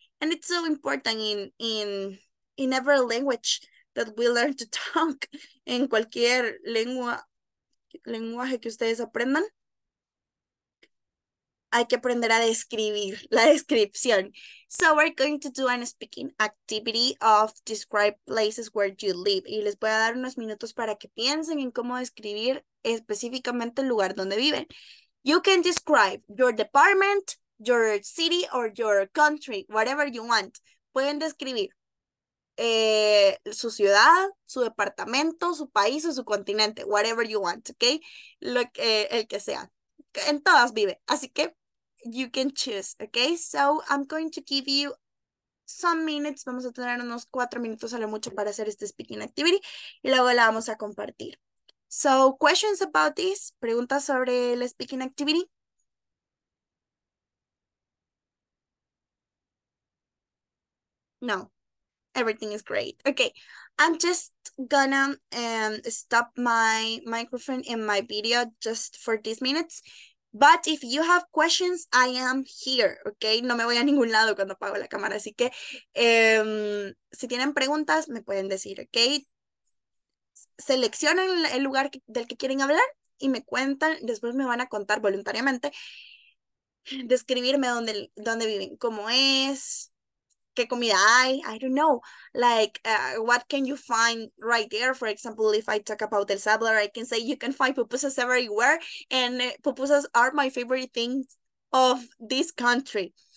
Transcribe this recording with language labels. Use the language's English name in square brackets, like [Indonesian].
[English] And it's so important in every language that we learn to talk, [Spanish] en cualquier lenguaje que ustedes aprendan. Hay que aprender a describir la descripción. [English] So we're going to do a speaking activity of describe places where you live. [Spanish] Y les voy a dar unos minutos para que piensen en cómo describir específicamente el lugar donde viven. [English] You can describe your department, your city, or your country, whatever you want. [Spanish] Pueden describir su ciudad, su departamento, su país o su continente, [English] whatever you want, okay? [Spanish] El que sea. En todas vive. Así que [English] you can choose, okay? So I'm going to give you some minutes. [Spanish] Vamos a tener unos 4 minutos a lo mucho para hacer este speaking activity y luego la vamos a compartir. [English] So, questions about this? [Spanish] ¿Preguntas sobre el speaking activity? [English] No. Everything is great. Okay. I'm just gonna stop my microphone and my video just for these minutes. But if you have questions, I am here. Okay. [Spanish] No me voy a ningún lado cuando apago la cámara. Así que si tienen preguntas, me pueden decir. [English] Okay. [Spanish] Seleccionen el lugar del que quieren hablar y me cuentan, después me van a contar voluntariamente, describirme dónde viven, cómo es, qué comida hay, [English] I don't know, like, what can you find right there, for example, if I talk about El Salvador, I can say you can find pupusas everywhere, and pupusas are my favorite things of this country.